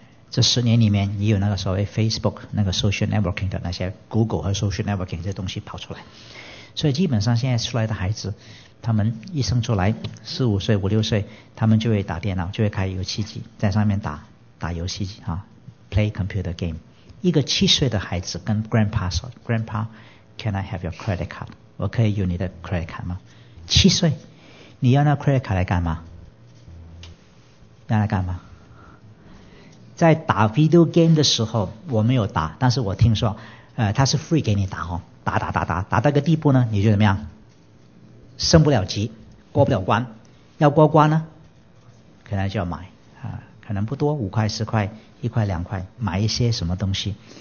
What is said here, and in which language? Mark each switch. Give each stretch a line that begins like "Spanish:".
Chinese: 这十年里面也有那个所谓 Facebook 那个 social networking 的那些 Google 和 social networking 这些东西跑出来，所以基本上现在出来的孩子，他们一生出来4、5岁、5、6岁，他们就会打电脑，就会开游戏机在上面打游戏机啊，
English: play computer game。
Chinese: 一个7岁的孩子跟 grandpa 说，
English: grandpa can I have your credit card，
Chinese: 我可以用你的 credit card 吗？ 7岁，你要那 credit card 来干嘛？要来干嘛？在打 video game 的时候我没有打，但是我听说他是 free 给你打哦，打打打打打到个地步呢，你就怎么样，升不了级，过不了关，要过关呢可能就要买可能不多，5块、10块、1块、2块，买一些什么东西。